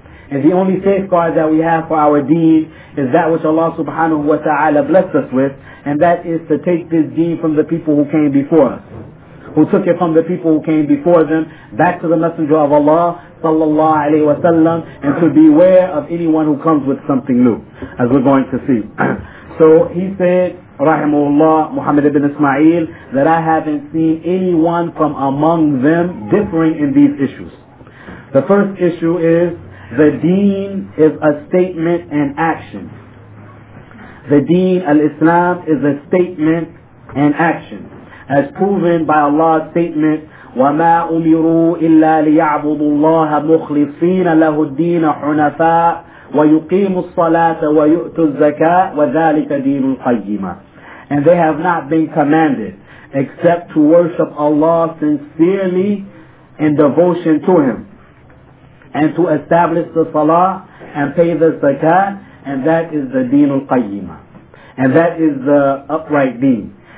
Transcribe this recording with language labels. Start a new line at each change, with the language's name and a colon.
English: And the only safeguard that we have for our deen is that which Allah subhanahu wa ta'ala blessed us with, and that is to take this deen from the people who came before us, who took it from the people who came before them back to the Messenger of Allah sallallahu alayhi wa sallam, and to beware of anyone who comes with something new, as we're going to see. So he said, rahimahullah, Muhammad ibn Ismail, that I haven't seen anyone from among them differing in these issues. The first issue is, the deen is a statement and action. The deen, al-Islam, is a statement and action, as proven by Allah's statement,
Arabic: وَمَا أُمِرُوا إِلَّا لِيَعْبُدُوا اللَّهَ مُخْلِصِينَ لَهُ الدِّينَ حُنَفَاءَ وَيُقِيمُوا الصَّلَاةَ وَيُؤْتُوا الزَّكَاءَ وَذَلِكَ دِينُ الْقَيِّمَةَ.
English: And they have not been commanded except to worship Allah sincerely in devotion to Him, and to establish the salah and pay the zakat, and that is the deen al-qayyimah, and that is the upright deen.